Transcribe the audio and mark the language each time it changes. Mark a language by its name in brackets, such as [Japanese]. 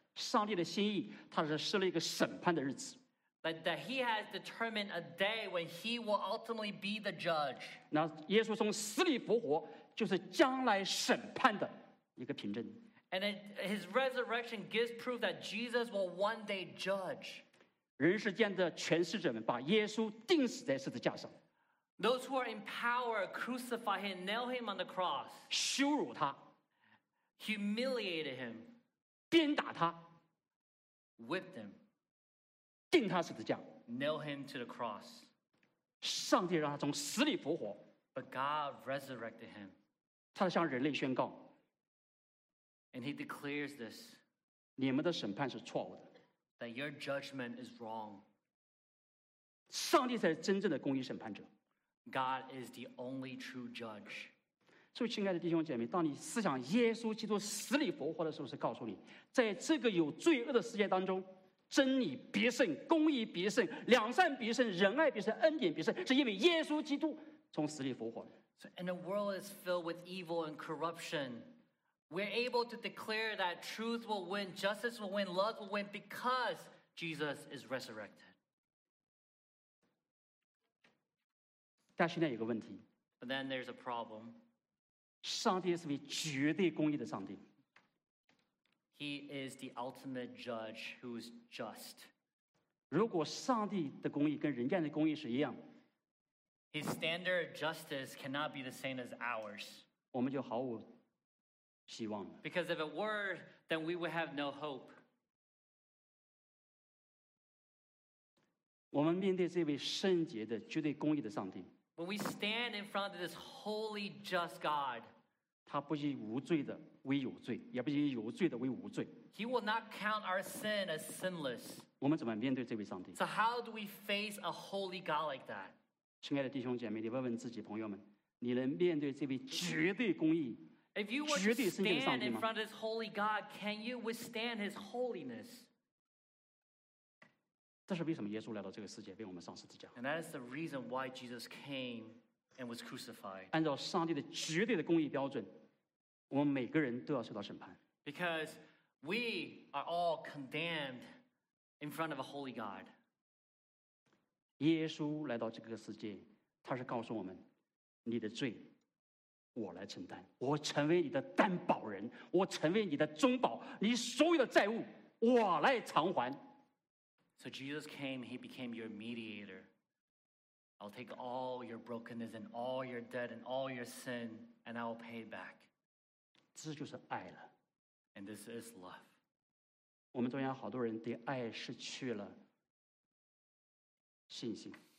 [Chinese] 上帝的心意，他是设了一个审判的日子。 [English] But that he has determined a day when he will ultimately be the judge. [Chinese] 那耶稣从死里复活，就是将来审判的一个凭证。 [English] And his resurrection gives proof that Jesus will one day judge. [Chinese] 人世间的权势者们把耶稣钉死在十字架上。 [English] Those who are in power crucify him, nail him on the cross. [Chinese] 羞辱他。 [English] Humiliated him. [Chinese] 鞭打他。 [English] Whipped him. [Chinese] 钉他十字架。 [English] Nail him to the cross. [Chinese] 上帝让他从死里复活。 [English] But God resurrected him. [Chinese] 他向人类宣告。 [English] And he declares this. [Chinese] 你们的审判是错误的。 [English] That your judgment is wrong. [Chinese] 上帝才是真正的公义审判者。 [English] God is the only true judge. [Chinese] 所以亲爱的弟兄姐妹，当你思想耶稣基督死里复活的时候，是告诉你，在这个有罪恶的世界当中，真理必胜，公义必胜，良善必胜，仁爱必胜，恩典必胜，是因为耶稣基督从死里复活。 [English] So, and the world is filled with evil and corruption. We're able to declare that truth will win, justice will win, love will win because Jesus is resurrected. [Chinese] 但现在有个问题。 [English] But then there's a problem. [Chinese] 上帝是位绝对公义的上帝。 [English] He is the ultimate judge who is just. [Chinese] 如果上帝的公义跟人间的公义是一样， [English] His standard of justice cannot be the same as ours. [Chinese] 我们就毫无希望了。 [English] Because if it were, then we would have no hope. [Chinese] 我们面对这位圣洁的绝对公义的上帝， [English] When we stand in front of this holy, just God, [Chinese] 他不以无罪的为有罪，也不以有罪的为无罪。 [English] He will not count our sin as sinless. [Chinese] 我们怎么面对这位上帝？ [English] So how do we face a holy God like that? [Chinese] 亲爱的弟兄姐妹，你问问自己，朋友们，你能面对这位绝对公义、 [English] If you were to stand in front of this holy God, can you withstand His holiness? [Chinese] 这是为什么耶稣来到这个世界，为我们上十字架。 [English] And that is the reason why Jesus came and was crucified. [Chinese] 按照上帝的绝对的公义标准，我们每个人都要受到审判。 [English] Because we are all condemned in front of a holy God. [Chinese] 耶稣来到这个世界，他是告诉我们，你的罪我来承担，我成为你的担保人，我成为你的中保，你所有的债务我来偿还。 [English] So Jesus came, he became your mediator. I'll take all your brokenness and all your debt and all your sin and I'll pay it back. [Chinese] 这就是爱了。 [English] And this is love. [Chinese] 我们中间好多人对爱失去了信心。